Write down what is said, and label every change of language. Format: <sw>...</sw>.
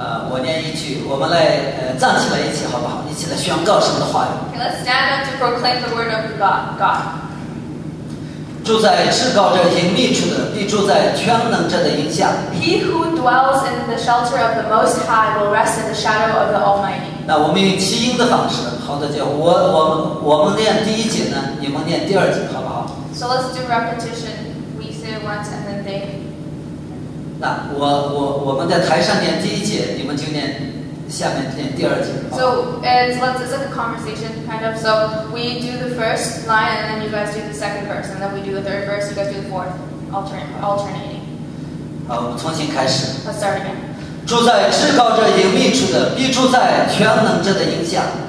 <zh>我念一句，我们来站起来一起，好不好？一起来宣告神的话语。</zh> <en>Okay, let's stand up to proclaim the word of God.</en> <zh>住在至高者隐秘处的，必住在全能者的荫下。</zh> <en>He who dwells in the shelter of the Most High will rest in the shadow of the Almighty.</en> <zh>那我们用七音的方式，好的，就我们念第一节呢，你们念第二节，好不好</zh> <en>？So let's do repetition. We say it once and then they.</en> <zh>那我们在台上念第一节，你们就念下面念第二节。</zh> <en>So it's like a conversation kind of. So we do the first line, and then you guys do the second verse, and then we do the third verse. You guys do the fourth, alternating.</en> <zh>好，我们重新开始。</zh> <en>Let's start again.</en> <zh>住在至高者隐秘处的，必住在全能者的荫下。</zh>